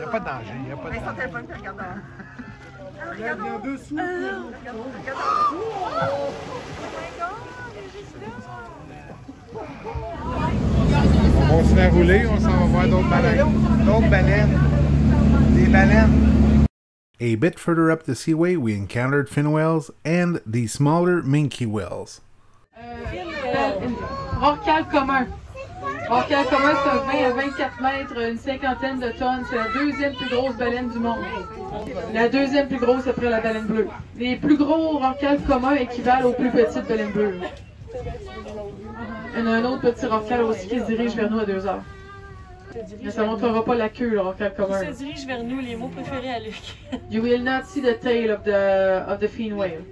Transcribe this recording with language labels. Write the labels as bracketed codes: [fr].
[fr] y'a pas de danger, y'a pas de danger. On se fait rouler, on s'en va voir d'autres baleines. Des baleines. [en] A bit further up the seaway, we encountered fin whales and the smaller minke whales. [fr] Orcale commun. Orcale commun, c'est un 20 à 24 mètres, une cinquantaine de tonnes. C'est la deuxième plus grosse baleine du monde. La deuxième plus grosse après la baleine bleue. Les plus gros orcales communs équivalent aux plus petites baleines bleues. Il y en a un autre petit orcale aussi qui se dirige vers nous à 2 heures. Mais ça ne montrera pas la queue, l'orcale commun. Il se dirige vers nous, les mots préférés à Luc. [en] You will not see the tail of the fin whale.